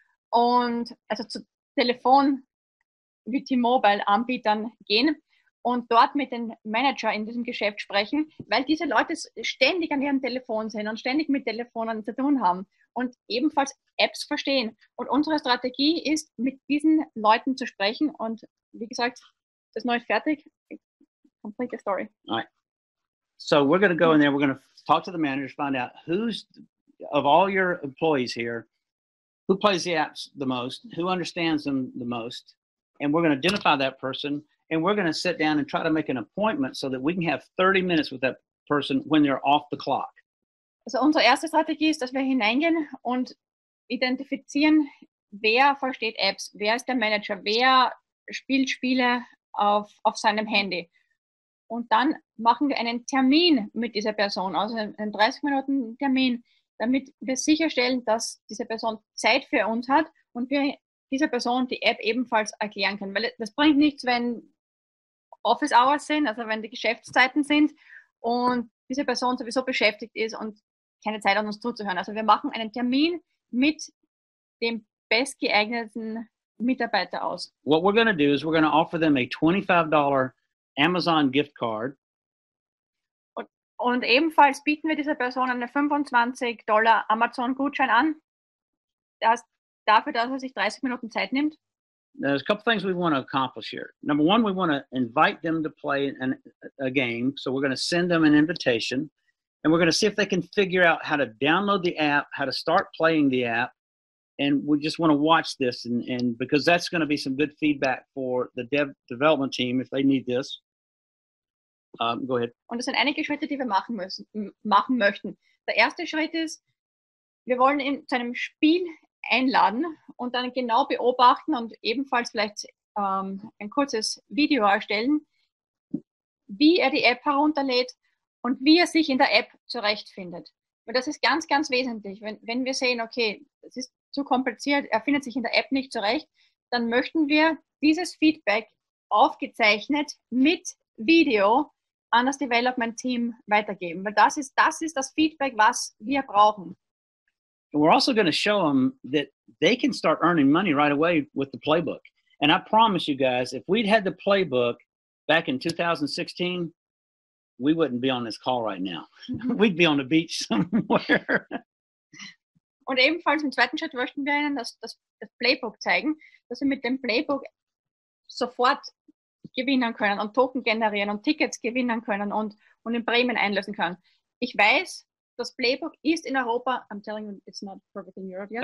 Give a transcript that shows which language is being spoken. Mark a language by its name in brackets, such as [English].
[German] Und also zu Telefon mit T-Mobile-Anbietern gehen und dort mit den Manager in diesem Geschäft sprechen, weil diese Leute ständig an ihrem Telefon sind und ständig mit Telefonen zu tun haben und ebenfalls Apps verstehen. Und unsere Strategie ist, mit diesen Leuten zu sprechen. Und wie gesagt, das Neue ist fertig. [English] Complete the story. All right. So we're going to go in there. We're going to talk to the managers, find out who's, of all your employees here, who plays the apps the most, who understands them the most. And we're going to identify that person. And we're going to sit down and try to make an appointment so that we can have 30 minutes with that person when they're off the clock. [German] Also unsere erste Strategie ist, dass wir hineingehen und identifizieren, wer versteht Apps, wer ist der Manager, wer spielt Spiele auf seinem Handy. Und dann machen wir einen Termin mit dieser Person, also einen 30-Minuten-Termin, damit wir sicherstellen, dass diese Person Zeit für uns hat und wir dieser Person die App ebenfalls erklären können. Weil das bringt nichts, wenn Office Hours sind, also wenn die Geschäftszeiten sind und diese Person sowieso beschäftigt ist und keine Zeit hat, uns zuzuhören. Also wir machen einen Termin mit dem bestgeeigneten Mitarbeiter aus. [English] What we're going to do is we're going to offer them a $25 Amazon gift card. [German] Und ebenfalls bieten wir dieser Person einen $25 Amazon Gutschein an, das dafür, dass er sich 30 Minuten Zeit nimmt. [English] There's a couple things we want to accomplish here. Number one, we want to invite them to play a game. So we're going to send them an invitation. And we're going to see if they can figure out how to download the app, how to start playing the app. And we just want to watch this. And because that's going to be some good feedback for the development team if they need this. Go ahead. [German] Und das sind einige Schritte, die wir machen möchten. Der erste Schritt ist, wir wollen in zu einem Spiel einladen und dann genau beobachten und ebenfalls vielleicht ein kurzes Video erstellen, wie er die App herunterlädt und wie er sich in der App zurechtfindet. Und das ist ganz, ganz wesentlich. Wenn wir sehen, okay, es ist zu kompliziert, er findet sich in der App nicht zurecht, dann möchten wir dieses Feedback aufgezeichnet mit Video an das Development Team weitergeben. Weil das ist das Feedback, was wir brauchen. [English] We're also going to show them that they can start earning money right away with the playbook. And I promise you guys, if we'd had the playbook back in 2016, we wouldn't be on this call right now. We'd be on the beach somewhere. [German] Und ebenfalls im zweiten Schritt möchten wir ihnen das Playbook zeigen, dass wir mit dem Playbook sofort gewinnen können und Token generieren und Tickets gewinnen können und in Bremen einlösen können. Ich weiß, das Playbook ist in Europa, [English] I'm telling you, it's not perfect in Europe yet.